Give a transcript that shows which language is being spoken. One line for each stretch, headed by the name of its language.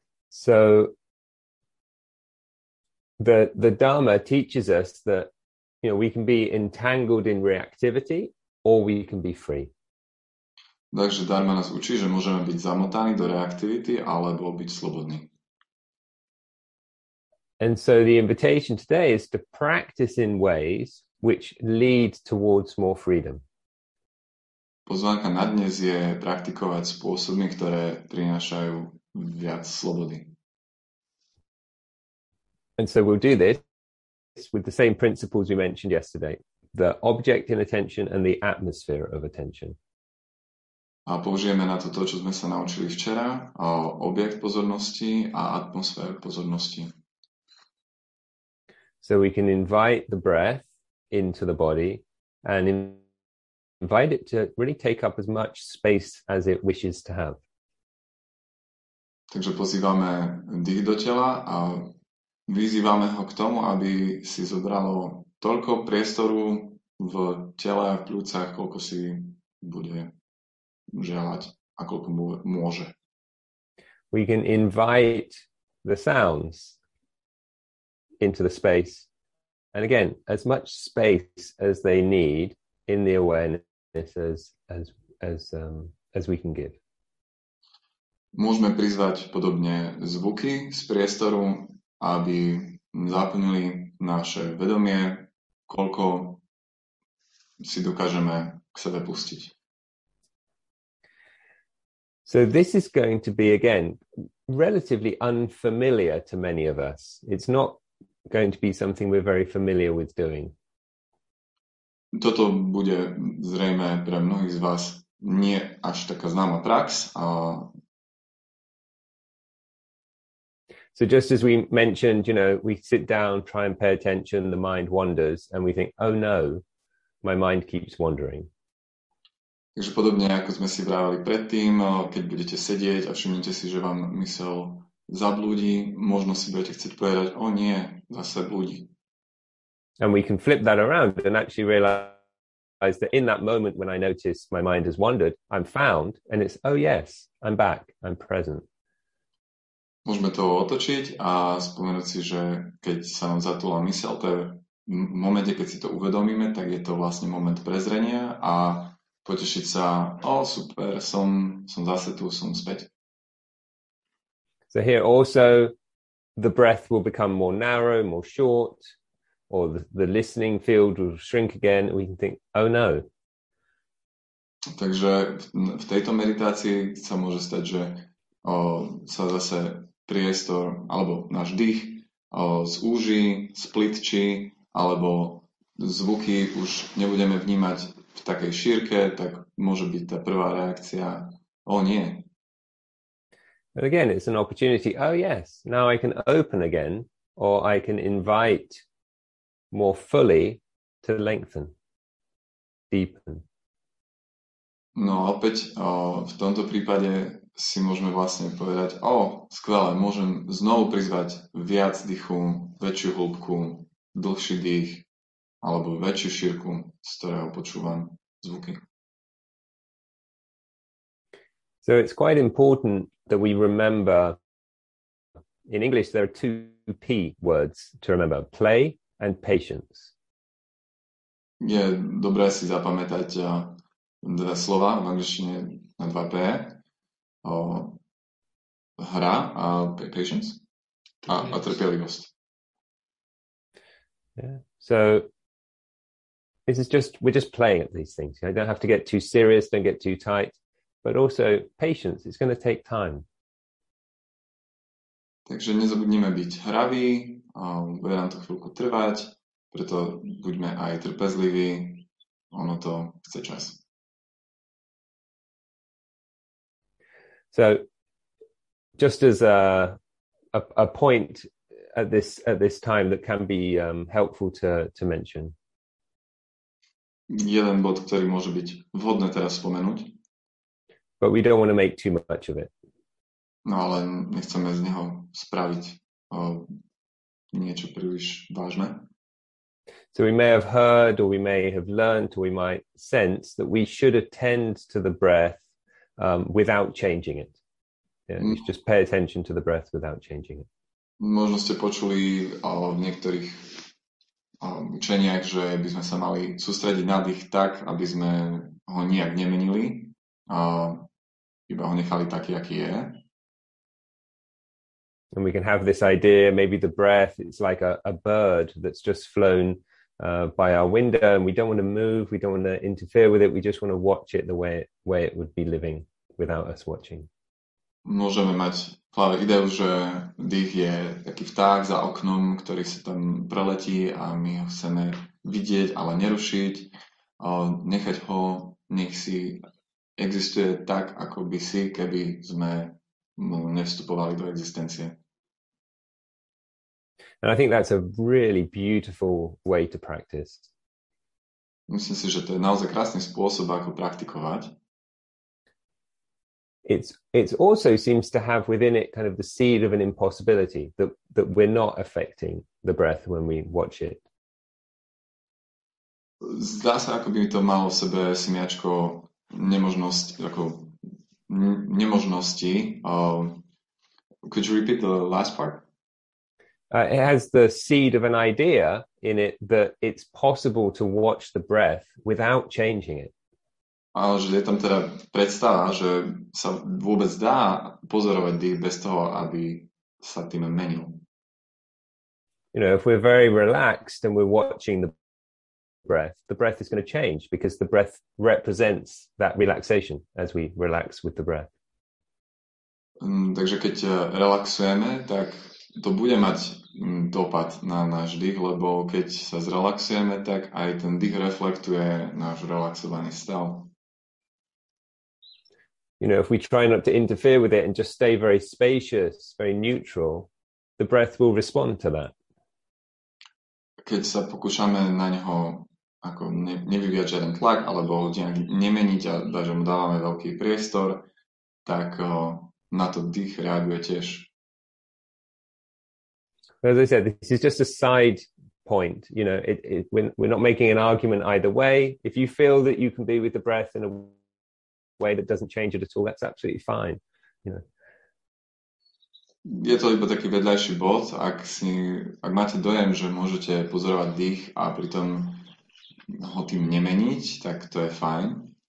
English: So the Dharma teaches us that you know, we can be entangled in reactivity or we can be free.
Slovak: Takže Dharma nás učí, že môžeme byť zamotaní do reaktivity alebo byť slobodní.
English: And so the invitation today is to practice in ways which lead towards more freedom.
Slovak: Pozvánka na dnes je praktikovať spôsoby, ktoré prinášajú viac slobody.
English: And so we'll do this with the same principles we mentioned yesterday, the object in attention and the atmosphere of attention.
Slovak: A použijeme na to, čo sme sa naučili včera, a objekt pozornosti a atmosféru pozornosti.
English: So we can invite the breath into the body and invite it to really take up as much space as it wishes to have.
Slovak: Takže pozývame dých do tela a vyzývame ho k tomu, aby si zobralo toľko priestoru v tele a v pľúcach, koľko si bude želať a koľko môže.
English: We can invite the sounds into the space. And again, as much space as they need in the awareness as we can give.
Slovak: Môžeme prizvať podobne zvuky z priestoru, aby zaplnili naše vedomie, koľko si dokážeme k sebe pustiť.
English: So this is going to be, again, relatively unfamiliar to many of us. It's not going to be something we're very familiar with doing.
Slovak: Toto bude zrejme pre mnohých z vás nie až taká známa prax.
English: So just as we mentioned, you know, we sit down, try and pay attention, the mind wanders, and we think, oh no, my mind keeps wandering.
Slovak: Takže podobne, ako sme si vravali predtým, keď budete sedieť a všimnite si, že vám mysel zablúdi, možno si budete chcieť povedať, o nie, zase blúdi.
English: And we can flip that around and actually realize that in that moment when I notice my mind has wandered, I'm found, and it's, oh yes, I'm back, I'm present.
Slovak: Môžeme to otočiť a spomenúť si, že keď sa nám zatúla mysel, to je v momente, keď si to uvedomíme, tak je to vlastne moment prezrenia a potešiť sa, oh super, som zase tu, som späť.
English: So here also the breath will become more narrow, more short, or the listening field will shrink again, we can think, oh no.
Slovak: Takže v tejto meditácii sa môže stať, že sa zase priestor, alebo náš dých zúži, splitčí, alebo zvuky už nebudeme vnímať v takej šírke, tak môže byť tá prvá reakcia, o nie.
English: But again, it's an opportunity, oh yes, now I can open again, or I can invite more fully to lengthen, deepen.
Slovak: No opäť, v tomto prípade si môžeme vlastne povedať, skvelé, môžem znovu prizvať viac dýchu, väčšiu hĺbku, dlhší dých, alebo väčšiu šírku, z ktorého počúvam zvuky.
English: So it's quite important that we remember, in English there are two P words to remember, play and patience.
Slovak: Je dobré si zapamätať dve slova v angličtine na 2P. Hra a patience. A trpělivost.
English: Yeah. So this is just, we're just playing at these things. You don't have to get too serious, don't get too tight. But also patience, it's going to take time.
Slovak: Takže nezabudnime byť hraví, bude nám to chvíľku trvať, preto buďme aj trpezliví, ono to chce čas.
English: So just as a point at this time that can be helpful to mention.
Slovak: Jeden bod, ktorý môže byť vhodné teraz spomenúť.
English: But we don't want to make too much of it.
Slovak: No, ale nechceme z neho spraviť niečo príliš vážne.
English: So we may have heard or we may have learned or we might sense that we should attend to the breath without changing it. Yeah, you just pay attention to the breath without changing it.
Slovak: Možno ste počuli v niektorých učeniach, že by sme sa mali sústrediť na dých tak, aby sme ho nijak nemenili, iba ho nechali taký, aký je.
English: And we can have this idea, maybe the breath is like a bird that's just flown by our window, and we don't want to move, we don't want to interfere with it, we just want to watch it the way it would be living without us watching.
Slovak: Môžeme mať práve ideu, že dých je taký vták za oknom, ktorý sa tam preletí a my ho chceme vidieť, ale nerušiť, nechať ho, nech si existuje tak, ako by si, keby sme mu nevstupovali do existencie.
English: And I think that's a really beautiful way to practice.
Slovak: Myslím si, že to je naozaj krásny spôsob, ako praktikovať.
English: It's also seems to have within it kind of the seed of an impossibility, that we're not affecting the breath when we watch it.
Slovak: Zdá sa, ako by to malo v sebe semiačko nemožnosti.
English: Could you repeat the last part? It has the seed of an idea in it that it's possible to watch the breath without changing it.
Slovak: Ale že je tam teda predstava, že sa vôbec dá pozorovať dých bez toho, aby sa tým menil.
English: You know, if we're very relaxed and we're watching the breath is going to change because the breath represents that relaxation as we relax with the breath.
Slovak: Takže keď relaxujeme, tak to bude mať dopad na náš dých, lebo keď sa zrelaxujeme, tak aj ten dých reflektuje náš relaxovaný stav.
English: You know, if we try not to interfere with it and just stay very spacious, very neutral, the breath will respond to that.
Slovak: Keď sa pokúšame na neho ako nevyvíjať žiaden tlak, alebo nemeniť a dať, že mu dávame veľký priestor, tak na to dých reaguje tiež.
English: As I said, this is just a side point. You know, it we're not making an argument either way. If you feel that you can be with the breath in a way that doesn't change it at all, that's absolutely fine. You know.
Slovak: Je to iba taký vedľajší bod. Ak máte dojem, že môžete pozorovať dých a pritom ho tým nemeniť, tak to je fajn.